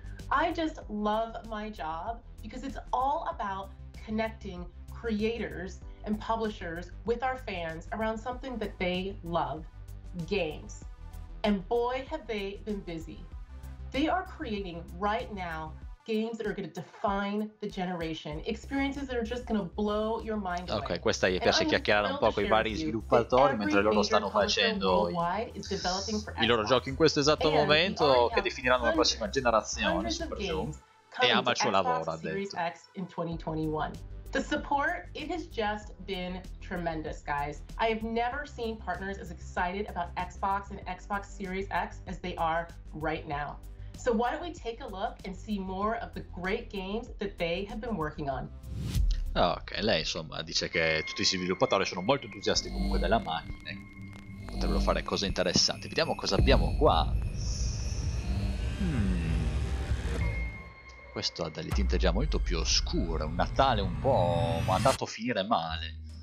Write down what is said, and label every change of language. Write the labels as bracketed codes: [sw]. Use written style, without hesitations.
[en] I just love my job because it's all about connecting creators and publishers with our fans around something that they love, games. And boy, have they been busy. They are creating right now games that are going to define the generation, experiences that are just going to blow your mind away. [it] Okay, questa gli piace chiacchierare un po' con i vari sviluppatori mentre loro stanno facendo i loro giochi in questo esatto momento che definiranno la prossima generazione, e Amazon lavora, [en] The support, it has just been tremendous, guys. I have never seen partners as excited about Xbox and Xbox Series X as they are right now. So why don't we take a look and see more of the great games that they have been working on. [it] Ok, lei insomma dice che tutti i sviluppatori sono molto entusiasti comunque della macchina. Potrebbero fare cose interessanti. Vediamo cosa abbiamo qua. Questo ha delle tinte già molto più oscure, un Natale un po' andato a finire male.